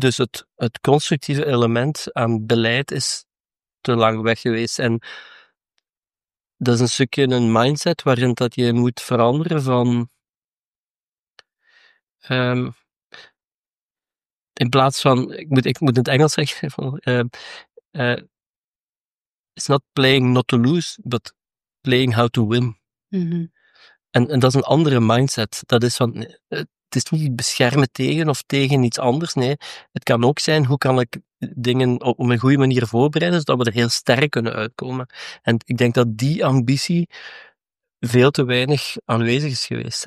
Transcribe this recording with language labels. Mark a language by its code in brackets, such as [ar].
[nl] Dus het constructieve element aan beleid is te lang weg geweest en dat is een stukje een mindset waarin dat je moet veranderen van... in plaats van... Ik moet in het Engels zeggen. Van, [en] it's not playing not to lose, but playing how to win. Mm-hmm. [nl] En dat is een andere mindset. Dat is van... Het is niet beschermen tegen of tegen iets anders. Nee, het kan ook zijn hoe kan ik dingen op een goede manier voorbereiden zodat we er heel sterk kunnen uitkomen. En ik denk dat die ambitie veel te weinig aanwezig is geweest.